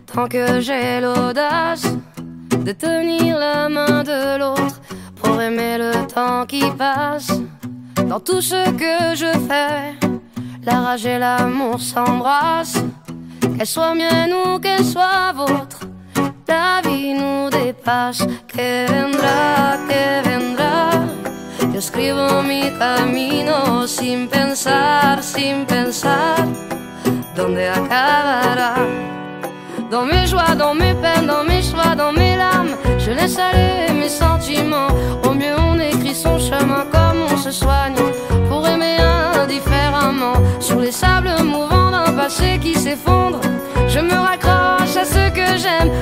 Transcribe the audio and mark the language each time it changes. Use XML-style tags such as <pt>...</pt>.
<fr>Que j'ai l'audace de tenir la main de l'autre pour aimer le temps qui passe. Dans tout ce que je fais, la rage et l'amour s'embrassent. Qu'elles soient miennes ou qu'elles soient vôtres, la vie nous dépasse.</fr> <es>Que vendra, que vendra. Yo escribo mi camino sin pensar, sin pensar. Donde acabará.</es> <fr>Dans mes joies, dans mes peines, dans mes choix, dans mes larmes, je laisse aller mes sentiments. Au mieux on écrit son chemin comme on se soigne, pour aimer indifféremment. Sur les sables mouvants d'un passé qui s'effondre, je me raccroche à ce que j'aime.</fr>